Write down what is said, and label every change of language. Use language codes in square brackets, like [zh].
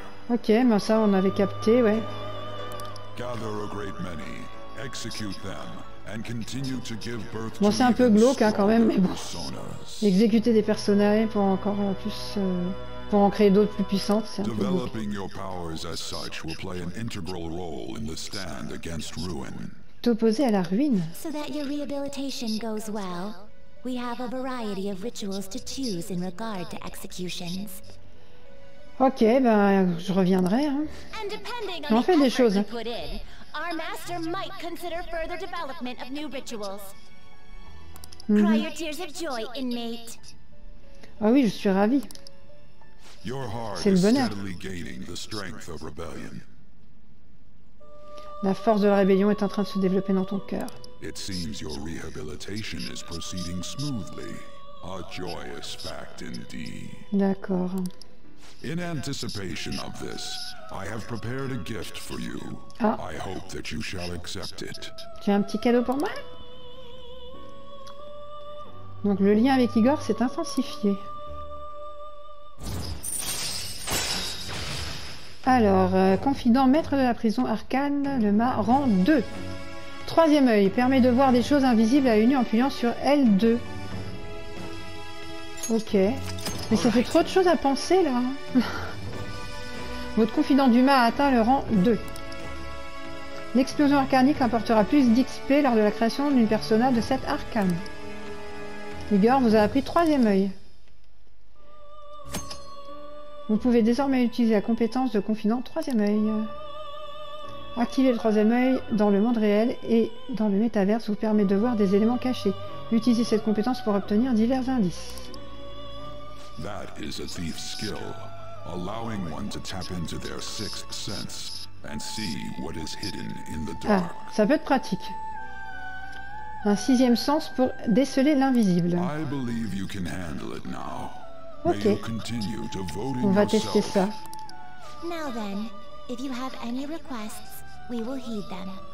[fr] Ok, ben ça, on avait capté, ouais. [en] Gather a great many, execute them, and continue to give birth to... [fr] Bon, c'est un peu glauque, hein, quand même, mais bon. Exécuter des personnages pour encore plus... Pour en créer d'autres plus puissantes, c'est un peu glauque. [en] Your powers as such will play an integral role in the stand against ruin. [fr] T'opposer à la ruine. [en] So that your rehabilitation goes well, we have a variety of rituals to choose in regard to executions. [fr] Ok, ben je reviendrai. Hein. Mais on fait des choses. [en] Our master might consider further development of new rituals. Cry your tears of joy, inmate. [fr] Ah oui, je suis ravi. [en] Your heart is steadily gaining the strength of rebellion. [fr] La force de la rébellion est en train de se développer dans ton cœur. [en] It seems your rehabilitation is proceeding smoothly. A joyous fact indeed. [fr] D'accord. [en] In anticipation of this, I have prepared a gift for you. Ah. I hope that you shall accept it. [fr] Tu as un petit cadeau pour moi? Donc le lien avec Igor s'est intensifié. Alors, confident maître de la prison Arcane, le Ma rang 2. Troisième œil, permet de voir des choses invisibles à une en appuyant sur L2. Ok. Mais ça fait trop de choses à penser là. Votre confident du Ma a atteint le rang 2. L'explosion arcanique apportera plus d'XP lors de la création d'une persona de cette arcane. Igor vous a appris troisième œil. Vous pouvez désormais utiliser la compétence de confident troisième œil. Activer le troisième œil dans le monde réel et dans le métaverse vous permet de voir des éléments cachés. Utilisez cette compétence pour obtenir divers indices. [en] That is a thief's skill, allowing one to tap into their sixth sense and see what is hidden in the dark. [fr] Ah, ça peut être pratique. Un sixième sens pour déceler l'invisible. [en] I believe you can handle it now. Ok. Continue devoting yourself. [fr] On va tester ça. [en] Now then, if you have any requests, we will heed them.